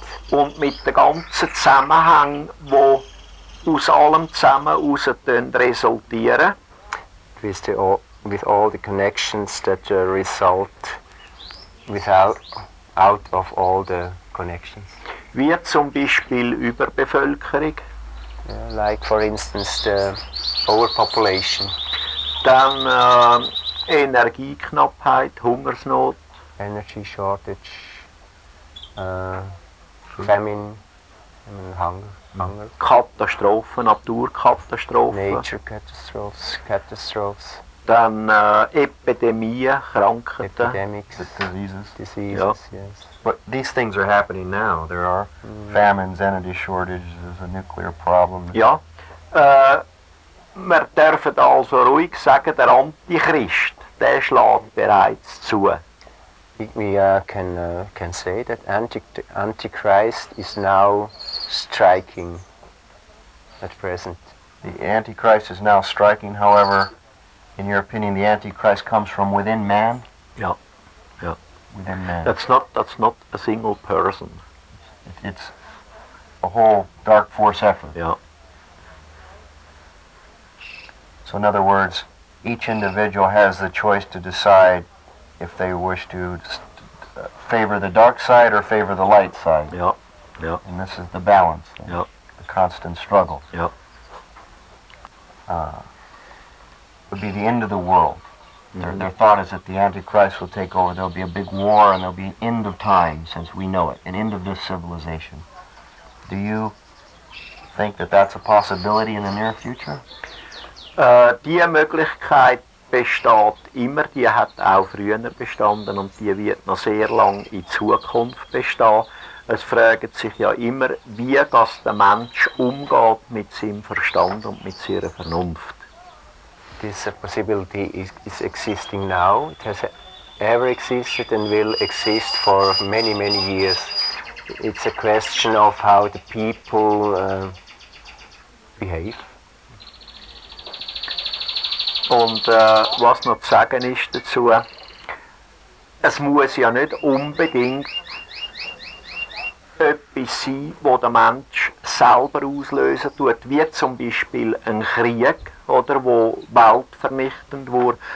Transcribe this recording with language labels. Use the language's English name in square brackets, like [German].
[German] Und mit den ganzen Zusammenhängen, die aus allem zusammen raus resultieren. [English] With all the connections that result out of all the connections. [German] Wie zum Beispiel Überbevölkerung. [English] Like for instance the overpopulation. [German] Dann Energieknappheit, Hungersnot. [English] Energy shortage. Famine, Hunger. [German] Katastrophen, Naturkatastrophen. [English] Nature catastrophes. [German] Dann Epidemien, Krankheiten. [English] Epidemics. Diseases, yep. Yes. But these things are happening now. There are famines, energy shortages, there's a nuclear problem. [German] Ja, wir dürfen also ruhig sagen, der Antichrist, der schlägt bereits zu. [English] We can say that Antichrist is now striking at present. The Antichrist is now striking, however, in your opinion, the Antichrist comes from within man? Yeah, yeah. Within man. That's not a single person. It's a whole dark force effort. Yeah. So in other words, each individual has the choice to decide if they wish to favor the dark side or favor the light side. Yeah, yeah. And this is the balance, yeah. The constant struggle. Yeah. Would be the end of the world. Mm-hmm. Their thought is that the Antichrist will take over, there'll be a big war, and there'll be an end of time, since we know it, an end of this civilization. Do you think that that's a possibility in the near future? [German] Die Möglichkeit besteht immer, die hat auch früher bestanden und die wird noch sehr lang in Zukunft bestehen. Es fragt sich ja immer, wie das der Mensch umgeht mit seinem Verstand und mit seiner Vernunft. [English] This possibility is existing now. It has ever existed and will exist for many, many years. It's a question of how the people behave. [German] Und was noch zu sagen ist dazu, es muss ja nicht unbedingt etwas sein, was der Mensch selber auslösen tut, wie zum Beispiel ein Krieg, oder, wo weltvernichtend wurde.